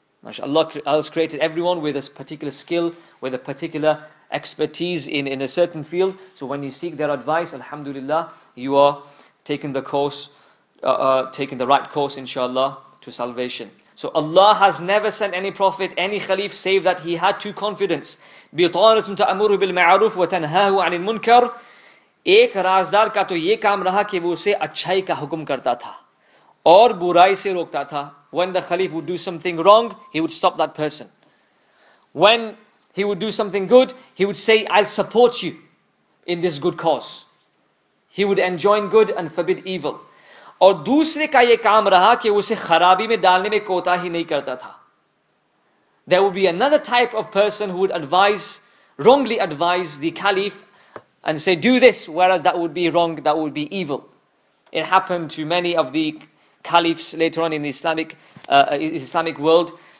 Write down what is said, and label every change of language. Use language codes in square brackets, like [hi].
[en] MashaAllah, Allah has created everyone with a particular skill, with a particular expertise in a certain field. So when you seek their advice, alhamdulillah, you are taking the course, taking the right course, inshallah, to salvation. So Allah has never sent any prophet, any khalif, save that he had two confidants. [ar] بِطَانَةٌ تَأْمُرُ بِالْمَعَرُوفِ وَتَنْهَاهُ عَنِ الْمُنْكَرِ. [ur] ایک رازدار کا تو یہ کام رہا کہ وہ اسے اچھائی کا حکم کرتا تھا اور برائی سے روکتا تھا. [en] When the khalif would do something wrong, he would stop that person. When he would do something good, he would say, I'll support you in this good cause. He would enjoin good and forbid evil. [ur] اور دوسرے کا یہ کام رہا کہ اسے خرابی میں ڈالنے میں کوتا ہی نہیں کرتا تھا. [en] There would be another type of person who would advise, wrongly advise the caliph and say, do this, whereas that would be wrong, that would be evil. It happened to many of the caliphs later on in the Islamic world.